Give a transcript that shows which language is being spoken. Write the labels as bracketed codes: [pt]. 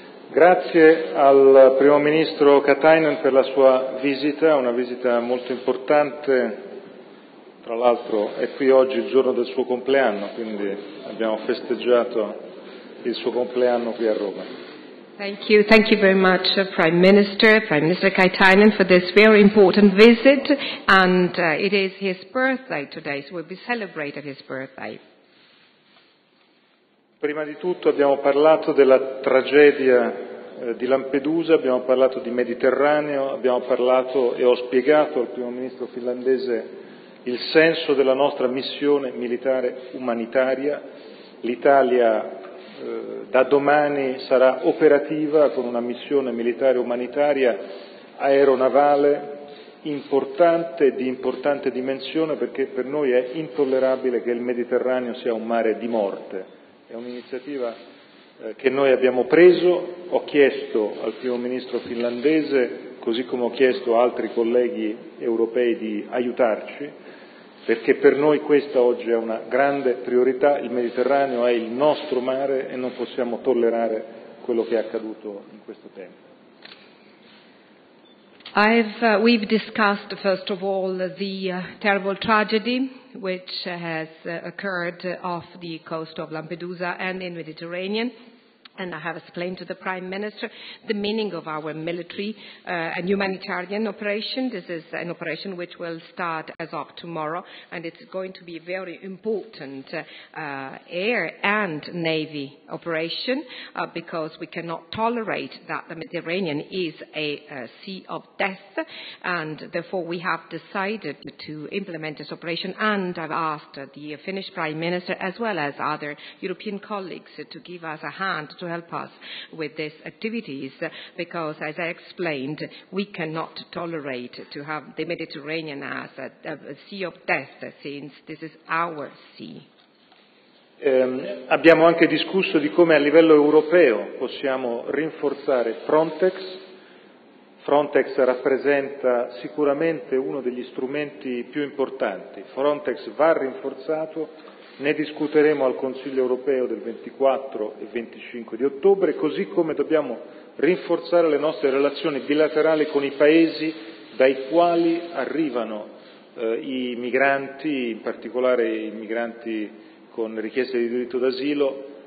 [it] Grazie al Primo Ministro Katainen per la sua visita, una visita molto importante. Tra l'altro è qui oggi il giorno del suo compleanno, quindi abbiamo festeggiato il suo compleanno qui a Roma. [en] Thank you very much, Prime Minister Katainen, for this very important visit, and it is his birthday today, so we'll be celebrating his birthday. [it] Prima di tutto abbiamo parlato della tragedia di Lampedusa, abbiamo parlato di Mediterraneo, abbiamo parlato e ho spiegato al Primo Ministro finlandese il senso della nostra missione militare umanitaria. L'Italia da domani sarà operativa con una missione militare umanitaria aeronavale importante, di importante dimensione, perché per noi è intollerabile che il Mediterraneo sia un mare di morte. È un'iniziativa che noi abbiamo preso. Ho chiesto al Primo Ministro finlandese, così come ho chiesto a altri colleghi europei, di aiutarci, perché per noi questa oggi è una grande priorità. Il Mediterraneo è il nostro mare e non possiamo tollerare quello che è accaduto in questo tempo. [en] We've discussed, first of all, the terrible tragedy which has occurred off the coast of Lampedusa and in the Mediterranean. And I have explained to the Prime Minister the meaning of our military and humanitarian operation. This is an operation which will start as of tomorrow, and it's going to be a very important air and navy operation because we cannot tolerate that the Mediterranean is a sea of death, and therefore we have decided to implement this operation, and I've asked the Finnish Prime Minister as well as other European colleagues to give us a hand to help us with these activities, because, as I explained, we cannot tolerate to have the Mediterranean as a sea of death, since this is our sea. [it] Abbiamo anche discusso di come a livello europeo possiamo rinforzare Frontex. Frontex rappresenta sicuramente uno degli strumenti più importanti. Frontex va rinforzato. Ne discuteremo al Consiglio europeo del 24 e 25 di ottobre, così come dobbiamo rinforzare le nostre relazioni bilaterali con i paesi dai quali arrivano i migranti, in particolare i migranti con richieste di diritto d'asilo.